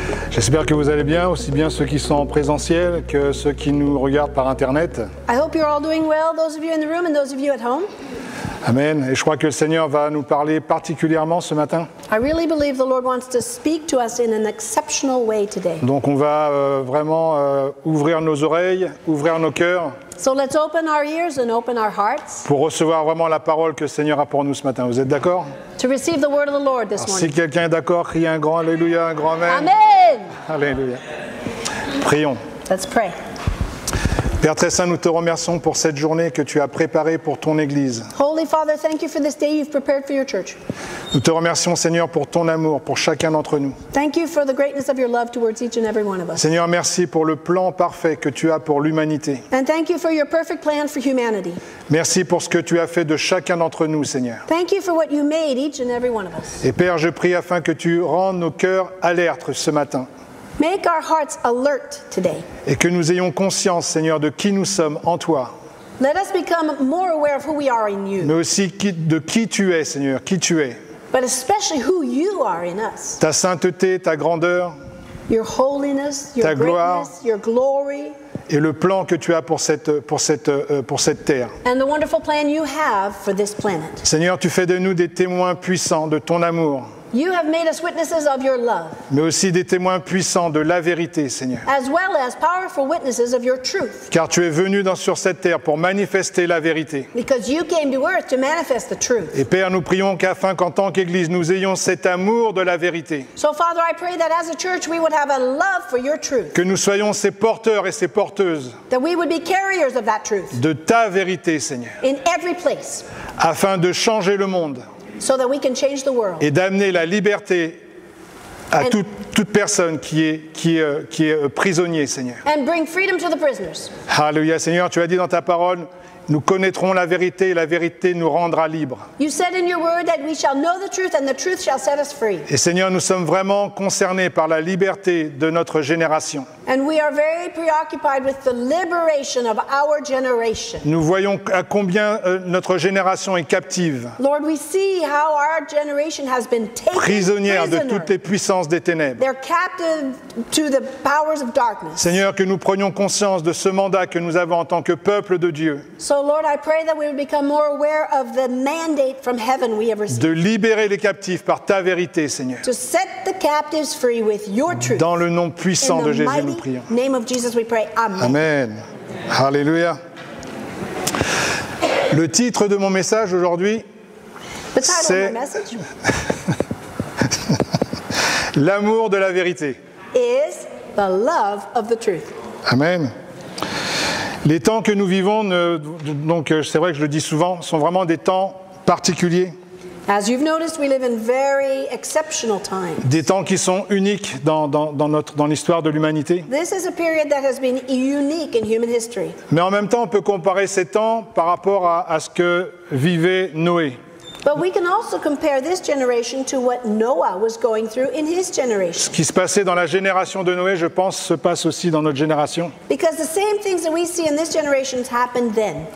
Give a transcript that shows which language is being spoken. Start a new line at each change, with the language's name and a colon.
French: J'espère que vous allez bien, aussi bien ceux qui sont en présentiel que ceux qui nous regardent par Internet.
English: I hope you're all doing well, those of you in the room and those of you at home. Amen.
French: Et je crois que le Seigneur va nous parler particulièrement ce matin.
English: I really believe the Lord wants to speak to us in an exceptional way today.
French: Donc on va vraiment ouvrir nos oreilles, ouvrir nos cœurs.
English: So let's open our ears and open our hearts.
French: Pour recevoir vraiment la parole que le Seigneur a pour nous ce matin. Vous êtes d'accord?
English: To receive the word of the Lord this morning.
French: Si quelqu'un est d'accord, crie un grand alléluia, un grand amen. Amen. Alléluia. Prions.
English: Let's pray.
French: Père très saint, nous te remercions pour cette journée que tu as préparée pour ton église.
English: Holy Father, thank you for this day you've prepared for your church.
French: Nous te remercions, Seigneur, pour ton amour pour chacun d'entre nous.
English: Thank you for the greatness of your love towards each and every one of us.
French: Seigneur, merci pour le plan parfait que tu as pour l'humanité.
English: And thank you for your perfect plan for humanity.
French: Merci pour ce que tu as fait de chacun d'entre nous, Seigneur.
English: Thank you for what you made each and every one of us.
French: Et Père, je prie afin que tu rendes nos cœurs alertes ce matin.
English: Make our hearts alert today.
French: Et que nous ayons conscience, Seigneur, de qui nous sommes en toi.
English: Let us become more aware of who we are in you.
French: Mais aussi de qui tu es, Seigneur, qui tu es.
English: But especially who you are in us.
French: Ta sainteté, ta grandeur.
English: Your holiness, your
French: ta
English: greatness,
French: gloire.
English: Your glory.
French: Et le plan que tu as pour cette terre.
English: And the wonderful plan you have for this planet.
French: Seigneur, tu fais de nous des témoins puissants de ton amour.
English: You have made us witnesses of your love.
French: Mais aussi des témoins puissants de la vérité, Seigneur.
English: As well as powerful witnesses of your truth.
French: Car tu es venu sur cette terre pour manifester la vérité.
English: Because you came to earth to manifest the truth.
French: Et Père, nous prions qu'afin qu'en tant qu'Église, nous ayons cet amour de la vérité.
English: So Father, I pray that as a church, we would have a love for your truth.
French: Que nous soyons ces porteurs et ces porteuses.
English: That we would be carriers of that truth.
French: De ta vérité, Seigneur.
English: In every place.
French: Afin de changer le monde.
English: So that we can change the world.
French: Et d'amener la liberté à toute personne qui est prisonnier, Seigneur.
English: And bring freedom to the prisoners.
French: Alléluia, Seigneur, tu as dit dans ta parole, nous connaîtrons la vérité et la vérité nous rendra libres.
English: You said in your word that we shall know the truth and the truth shall set us free.
French: Et Seigneur, nous sommes vraiment concernés par la liberté de notre génération.
English: And we are very preoccupied with the liberation of our generation.
French: Nous voyons à combien notre génération est captive.
English: Lord, we see how our generation has been taken
French: prisonnière de toutes les puissances des ténèbres.
English: They're captive to the powers of darkness.
French: Seigneur, que nous prenions conscience de ce mandat que nous avons en tant que peuple de Dieu.
English: So Lord, I pray that we would become more aware of the mandate from heaven we have received.
French: De libérer les captifs par ta vérité, Seigneur.
English: To set the captives free with your truth.
French: Dans le nom puissant de Jésus.
English: In the name of Jesus we pray. Amen. Amen. Alléluia.
French: Le titre de mon message aujourd'hui, c'est l'amour de la vérité.
English: Is the love of the truth. Amen.
French: Les temps que nous vivons, donc c'est vrai que je le dis souvent, sont vraiment des temps particuliers.
English: As you've noticed, we live in very exceptional times.
French: Des temps qui sont uniques dans l'histoire de l'humanité.
English: This is a period that has been unique in human history.
French: Mais en même temps, on peut comparer ces temps par rapport à ce que vivait Noé.
English: But we can also compare this generation to what Noah was going through in his generation.
French: Ce qui se passait dans la génération de Noé, je pense, se passe aussi dans notre génération.
English: Because the same things that we see in this generation happened then.